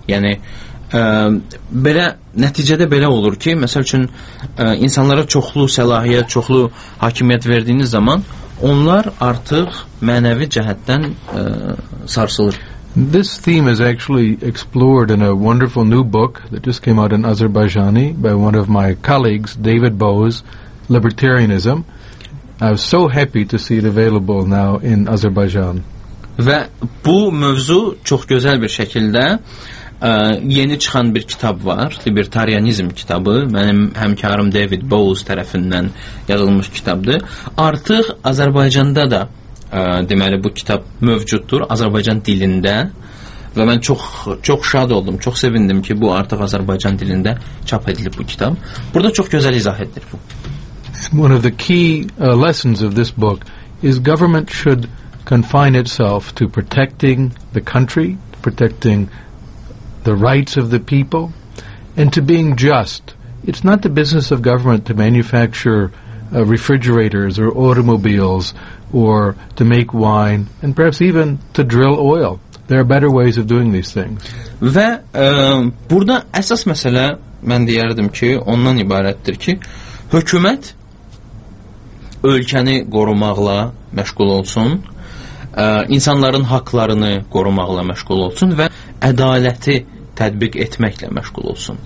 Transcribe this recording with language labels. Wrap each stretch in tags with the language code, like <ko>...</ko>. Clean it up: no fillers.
<az>Yəni belə nəticədə belə olur ki, məsəl üçün insanlara çoxlu səlahiyyət, çoxlu hakimiyyət verdiyiniz zaman onlar artıq mənəvi cəhətdən sarsılır.</az> <en>This theme is actually explored in a wonderful new book that just came out in Azerbaijani by one of my colleagues, David Bowes, Libertarianism. I was so happy to see it available now in Azerbaijan.</en> <az>Və bu mövzu çox gözəl bir şəkildə yeni çıxan bir kitab var, Libertarianizm kitabı. Mənim həmkarım David Bowes tərəfindən yazılmış kitabdır. Artıq Azərbaycanda da deməli bu kitab mövcuddur Azərbaycan dilində və mən çox şad oldum, çox sevindim ki, bu artıq Azərbaycan dilində çap edilib bu kitab. Burada çox gözəl izah edilir bu.</az> <en>One of the key lessons of this book is government should confine itself to protecting the country, protecting the rights of the people, and to being just. It's not the business of government to manufacture refrigerators or automobiles or to make wine and perhaps even to drill oil. There are better ways of doing these things.</en> <az>Və burada əsas məsələ mən deyərdim ki, ondan ibarətdir ki, hökumət ölkəni qorumaqla məşğul olsun, insanların haqlarını qorumaqla məşğul olsun və ədaləti tətbiq etməklə məşğul olsun.</az>